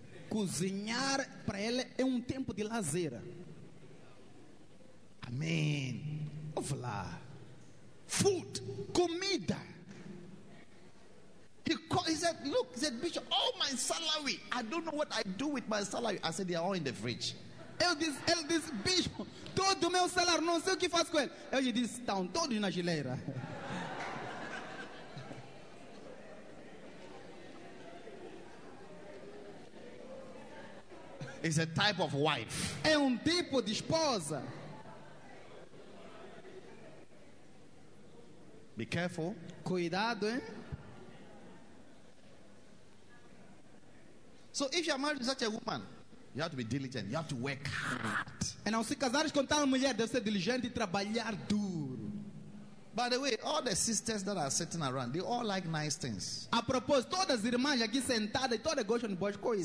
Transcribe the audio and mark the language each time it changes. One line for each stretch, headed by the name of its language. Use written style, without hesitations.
Portuguese: Cozinhar para ela é tempo de lazer. Amém. Ouve lá.
English: Food,
Portuguese: comida.
English: He said, look, he said, Bishop, all my salary, I don't know what I do with my salary. I said, they are all in the fridge.
Portuguese: Ele disse, Bishop, todo meu salário, não sei o que faço com ele. Ele disse, estão todos na geleira.
English: It's a type of wife.
Portuguese: É tipo de esposa.
English: Be careful.
Portuguese: Cuidado, hein?
English: So if you are married to such a woman, you have to be diligent. You have to work hard.
Portuguese: And ao se casares com tal mulher, deve ser diligente e trabalhar duro.
English: By the way, all the sisters that are sitting around, they all like nice things.
Portuguese: A propósito, todas as irmãs aqui sentadas, todas gostam de boas coisas.